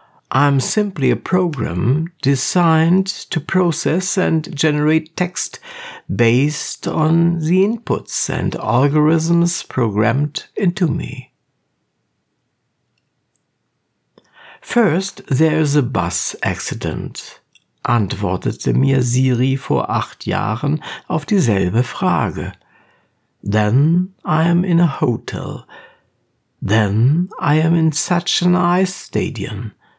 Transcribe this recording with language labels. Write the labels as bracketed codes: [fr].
[en] I'm simply a program designed to process and generate text based on the inputs and algorithms programmed into me. First, there's a bus accident, [de] antwortete mir Siri vor 8 Jahren auf dieselbe Frage. [en] Then I am in a hotel. Then I am in such an ice stadium.